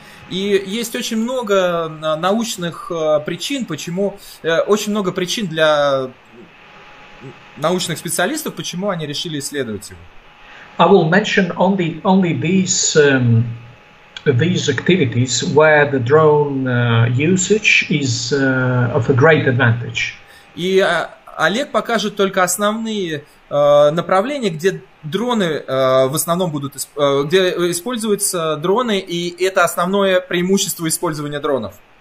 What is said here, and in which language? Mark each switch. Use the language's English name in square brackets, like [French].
[Russian] И есть очень много научных причин, почему очень много причин для научных специалистов, почему они решили исследовать его. [English] I will mention only these. These activities where the drone usage is of a great advantage. [Russian] И Олег покажет только основные направления, где дроны в основном будут, где используются дроны, и это основное преимущество использования дронов.